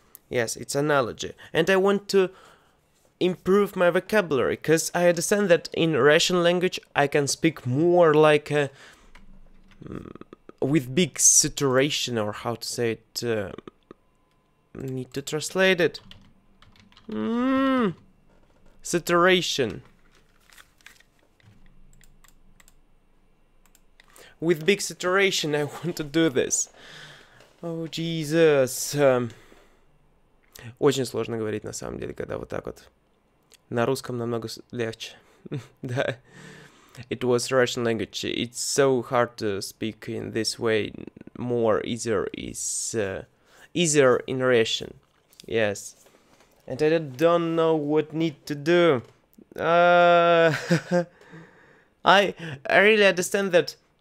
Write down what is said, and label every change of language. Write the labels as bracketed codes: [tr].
[en] Yes, it's analogy. And I want to improve my vocabulary, because I understand that in Russian language I can speak more like a, with big saturation, or how to say it, need to translate it. Saturation. With big saturation I want to do this. Oh, Jesus. [ru] Очень сложно говорить, на самом деле, когда вот так вот. На русском намного легче. [en] Да. It was Russian language. It's so hard to speak in this way. More easier is... easier in Russian. Yes. And I don't know what need to do. I really understand that...